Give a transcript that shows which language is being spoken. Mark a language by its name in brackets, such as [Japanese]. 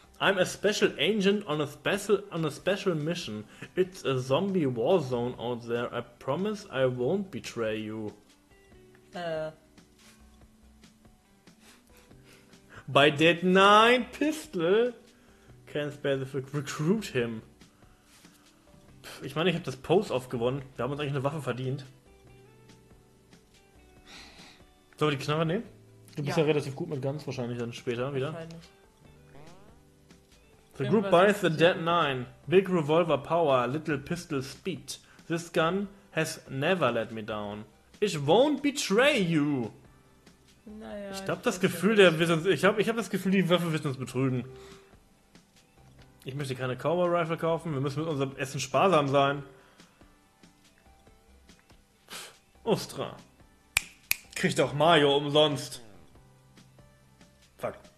[English] I'm a special agent on a special mission. It's a zombie war zone out there. I promise I won't betray you. By Dead Nine Pistol. Can't spare the recruit him. [German] Ich meine, ich habe das Pose-Off gewonnen. Wir haben uns eigentlich eine Waffe verdient. Sollen wir die Knarre nehmen? Du bist ja relativ gut mit Guns, wahrscheinlich dann später wieder. [English] The group buys the Dead Nine. Big revolver power, little pistol speed. This gun has never let me down. It won't betray you. [German] Naja, ich habe das Gefühl, der wird uns. Ich hab das Gefühl, die Waffe wird uns betrügen. Ich möchte keine Cowboy-Rifle kaufen. Wir müssen mit unserem Essen sparsam sein. Ostra. Krieg doch Mayo umsonst. Fuck.